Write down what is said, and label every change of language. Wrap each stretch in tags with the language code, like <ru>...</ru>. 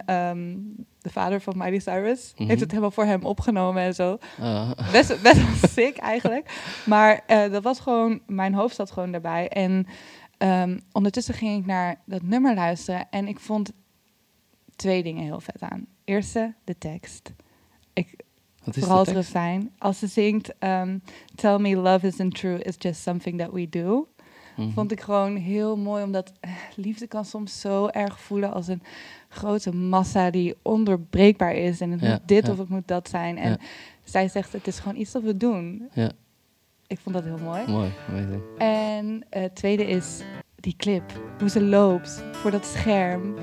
<nl>En de vader van Miley Cyrus heeft het helemaal voor hem opgenomen en zo. Best sick eigenlijk. Maar dat was gewoon, mijn hoofd zat gewoon daarbij. En ondertussen ging ik naar dat nummer luisteren en ik vond twee dingen heel vet aan. Eerste, de tekst. Vooral het refrein. Als ze zingt,</nl> <en>tell me love isn't true, it's just something that we do. Mm-hmm.</en> <nl>Vond ik gewoon heel mooi, omdat liefde kan soms zo erg voelen als een grote massa die ondoorbreekbaar is. En het moet dit of het moet dat zijn. En zij zegt, het is gewoon iets dat we doen. Ja. Ik vond dat heel mooi. Mooi, amazing. En het tweede is die clip. Hoe ze loopt voor dat scherm.</nl>